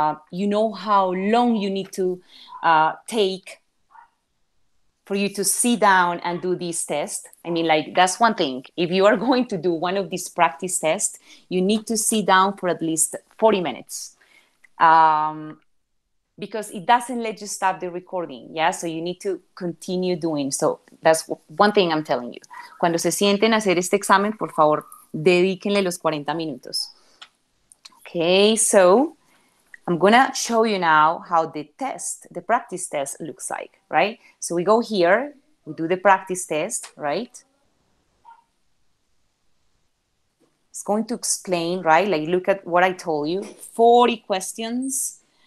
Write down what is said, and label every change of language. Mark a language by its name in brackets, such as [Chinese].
[English] You know how long you need to take for you to sit down and do this test. I mean, like, that's one thing. If you are going to do one of these practice tests, you need to sit down for at least 40 minutes. Because it doesn't let you stop the recording, yeah? So you need to continue doing. So that's one thing I'm telling you. [Spanish] Cuando se sienten a hacer este examen, por favor, dedíquenle los 40 minutos. [English] Okay, so I'm gonna show you now how the test, the practice test looks like, right? So we go here, we do the practice test, right? It's going to explain, right? Like, look at what I told you, 40 questions.